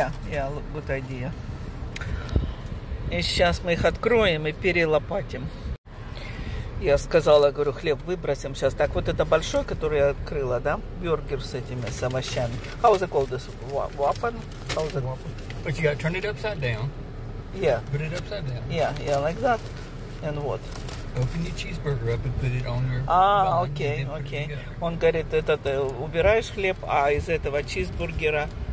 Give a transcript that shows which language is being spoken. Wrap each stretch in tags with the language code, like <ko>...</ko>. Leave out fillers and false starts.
<en>Yeah, good idea.</en> <ru>И сейчас мы их откроем и перелопатим. Я сказала, говорю, хлеб выбросим сейчас. Так, вот это большой, который я открыла, да? Бюргер с этими, с овощами.</ru> <en>How is it called this? Wappen? How is it? But you gotta turn it upside down. Yeah. Put it upside down. Yeah, like that. And what? Open your cheeseburger up and put it on your...</en> <ru>А, окей. Он говорит, этот, убираешь хлеб, а из этого чизбургера...</ru>